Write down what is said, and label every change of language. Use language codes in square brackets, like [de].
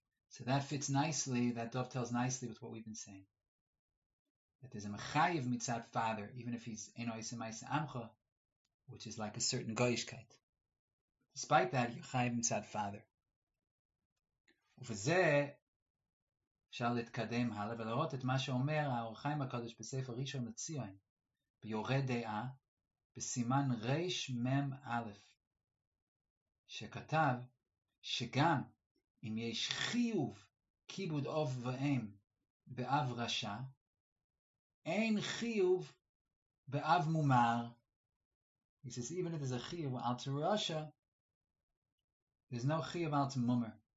[en] So that fits nicely, that dovetails nicely with what we've been saying. That there's a mechayiv mitzad father, even if he's eno yisem ayse amcha, which is like a certain goyishkeit. Despite that, yechayiv mitzad father. Ufazeh, [he] אפשר להתקדם הלאה ולראות את מה שאומר האור החיים הקודש בספר ראשון לציון, ביורה דעה, בסימן ריש מם א', שכתב שגם אם יש חיוב כיבוד אב ואם באב רשע, אין חיוב באב מומר. [en] He says, even if there's a chiyuv al terusha, there's no chiyuv al mumar.